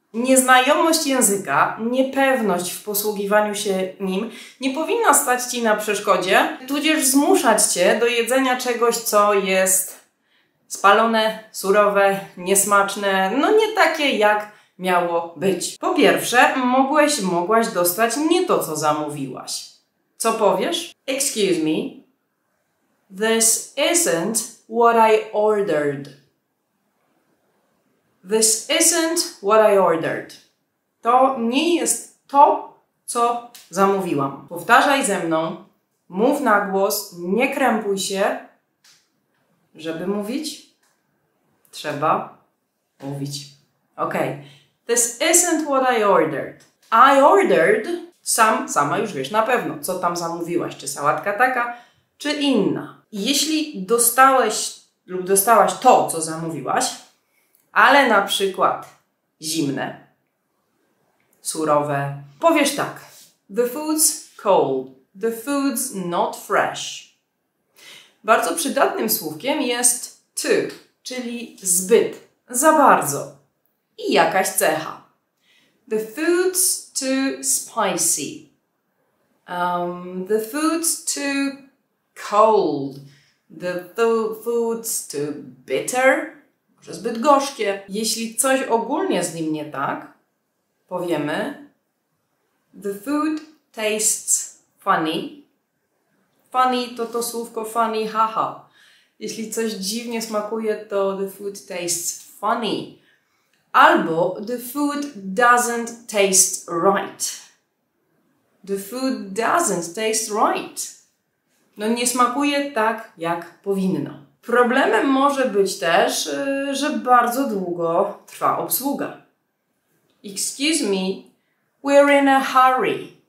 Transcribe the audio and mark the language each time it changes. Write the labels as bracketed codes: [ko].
[pl] Nieznajomość języka, niepewność w posługiwaniu się nim nie powinna stać Ci na przeszkodzie, tudzież zmuszać Cię do jedzenia czegoś, co jest spalone, surowe, niesmaczne, no nie takie jak miało być. Po pierwsze, mogłaś dostać nie to, co zamówiłaś. Co powiesz? [en] Excuse me, this isn't what I ordered. This isn't what I ordered. [pl] To nie jest to, co zamówiłam. Powtarzaj ze mną, mów na głos, nie krępuj się. Żeby mówić, trzeba mówić. Ok. [en] This isn't what I ordered. I ordered, [pl] sama już wiesz na pewno, co tam zamówiłaś. Czy sałatka taka, czy inna. Jeśli dostałeś lub dostałaś to, co zamówiłaś, ale na przykład zimne, surowe. Powiesz tak. [en] The food's cold. The food's not fresh. [pl] Bardzo przydatnym słówkiem jest too, czyli zbyt, za bardzo. I jakaś cecha. [en] The food's too spicy. The food's too cold. The food's too bitter. [pl] Że zbyt gorzkie. Jeśli coś ogólnie z nim nie tak, powiemy [en] the food tastes funny. [pl] Funny to słówko funny, haha. Jeśli coś dziwnie smakuje, to [en] the food tastes funny. [pl] Albo [en] the food doesn't taste right. The food doesn't taste right. [pl] No nie smakuje tak, jak powinno. Problemem może być też, że bardzo długo trwa obsługa. [en] Excuse me, we're in a hurry.